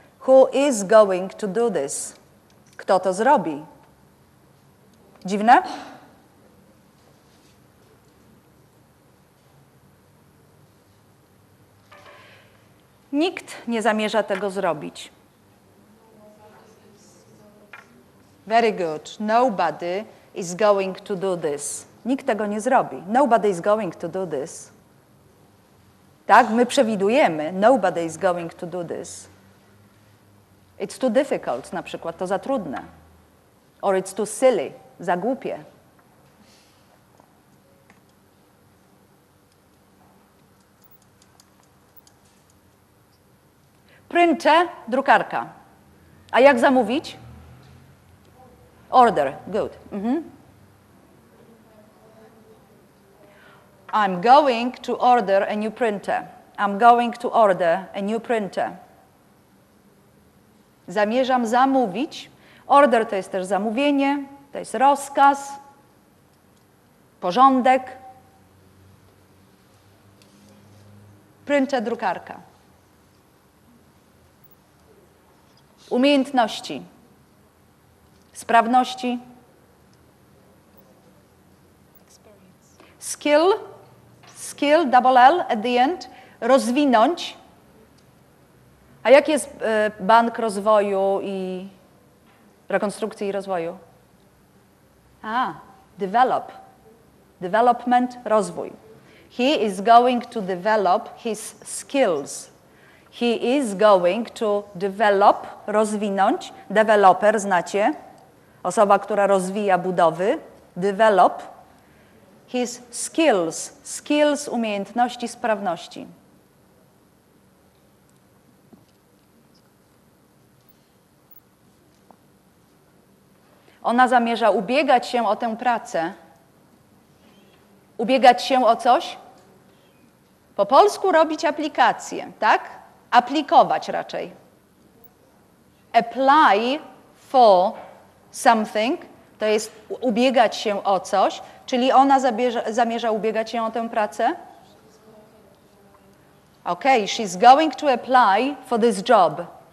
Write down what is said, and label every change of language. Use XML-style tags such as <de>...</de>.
<en>Who is going to do this?</en> <pl>Kto to zrobi? Dziwne? Nikt nie zamierza tego zrobić.</pl> <en>Very good. Nobody is going to do this.</en> <pl>Nikt tego nie zrobi.</pl> <en>Nobody is going to do this. Tak?</en> <pl>My przewidujemy.</pl> <en>Nobody is going to do this. It's too difficult,</en> <pl>na przykład. To za trudne.</pl> <en>Or it's too silly.</en> <pl>Za głupie. Printer, drukarka. A jak zamówić?</pl> <en>Order, good.</en> <pl>Mm-hmm.</pl> <en>I'm going to order a new printer. I'm going to order a new printer.</en> <pl>Zamierzam zamówić. Order to jest też zamówienie, to jest rozkaz, porządek. Printer, drukarka. Umiejętności. Sprawności.</pl> <en>Experience. Skill. Skill, double L at the end.</en> <pl>Rozwinąć. A jak jest bank rozwoju i rekonstrukcji i rozwoju?</pl> <en>A, develop. Development, rozwój. He is going to develop his skills. He is going to develop, rozwinąć.</en> <pl>Developer, znacie? Osoba, która rozwija budowy,</pl> <en>develop his skills, skills,</en> <pl>umiejętności, sprawności. Ona zamierza ubiegać się o tę pracę. Ubiegać się o coś? Po polsku robić aplikację, tak? Aplikować raczej.</pl> <en>Apply for something,</en> <pl>to jest ubiegać się o coś, czyli ona zamierza ubiegać się o tę pracę?</pl> <en>Okay, she's going to apply for this job.</en>